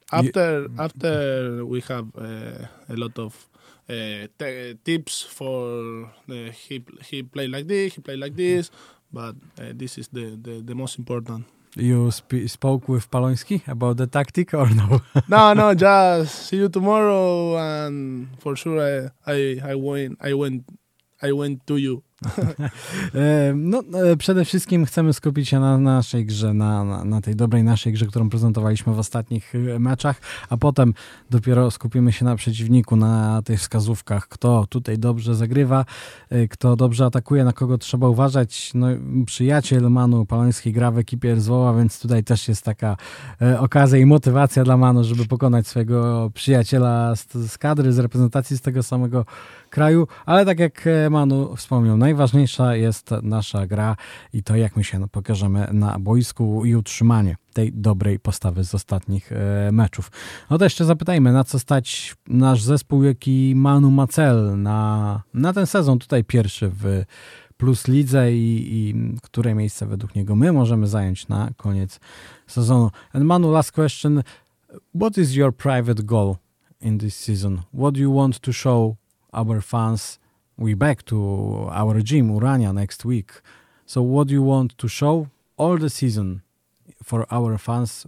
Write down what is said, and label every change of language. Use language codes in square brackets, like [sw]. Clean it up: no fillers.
[en] After we have a lot of tips for he play like this, he play like this, but this is the most important. You spoke with Palonski about the tactic or no? No, just see you tomorrow, and for sure I went to you. [pl] No, przede wszystkim chcemy skupić się na naszej grze, na tej dobrej naszej grze, którą prezentowaliśmy w ostatnich meczach, a potem dopiero skupimy się na przeciwniku, na tych wskazówkach, kto tutaj dobrze zagrywa, kto dobrze atakuje, na kogo trzeba uważać. No, przyjaciel Manu Poloński gra w ekipie Rzwoła, więc tutaj też jest taka okazja i motywacja dla Manu, żeby pokonać swojego przyjaciela z kadry, z reprezentacji, z tego samego kraju, ale tak jak Manu wspomniał, najważniejsza jest nasza gra i to, jak my się pokażemy na boisku i utrzymanie tej dobrej postawy z ostatnich meczów. No to jeszcze zapytajmy, na co stać nasz zespół, jaki Manu ma cel na ten sezon tutaj pierwszy w Plus Lidze i które miejsce według niego my możemy zająć na koniec sezonu. [en] And Manu, last question, what is your private goal in this season? What do you want to show our fans? We back to our gym, Urania, next week. So what do you want to show all the season for our fans?